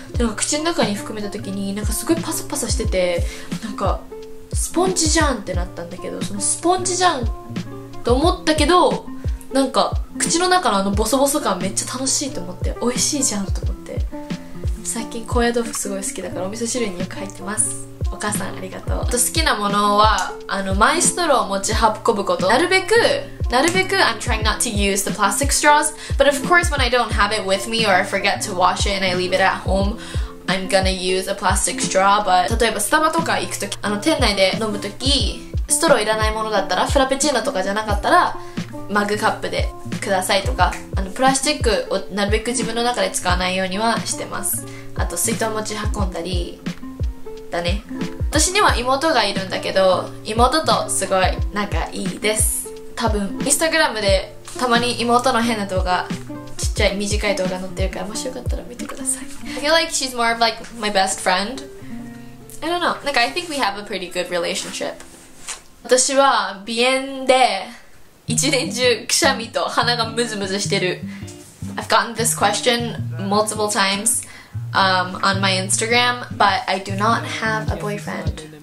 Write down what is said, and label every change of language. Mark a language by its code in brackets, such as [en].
[ja] なんか口の中に含めた時になんかすごいパサパサしてて、なんかスポンジじゃんってなったんだけど、そのスポンジじゃんと思ったけど、なんか口の中のあのボソボソ感めっちゃ楽しいと思って、美味しいじゃんと思って、最近高野豆腐すごい好きだからお味噌汁によく入ってます。お母さんありがとう。あと好きなものは、あのマイストローを持ち運ぶこと。なるべく [en] I'm trying not to use the plastic straws, but of course when I don't have it with me or I forget to wash it and I leave it at home, I'm gonna use a plastic straw. But [ja] 例えばスタバとか行くとき、あの店内で飲むとき、ストローいらないものだったら、フラペチーノとかじゃなかったらマグカップでくださいとか、あのプラスチックをなるべく自分の中で使わないようにはしてます。あと水筒持ち運んだりだね。私には妹がいるんだけど、妹とすごい仲いいです。多分インスタグラムでたまに妹の変な動画、ちっちゃい短い動画載ってるから、もしよかったら見てください。 [en] I feel like she's more of like my best friend. I don't know, like I think we have a pretty good relationship. [ja] 私は鼻炎で一年中くしゃみと鼻がムズムズしてる。 [en] I've gotten this question multiple timeson my Instagram, but I do not have a boyfriend.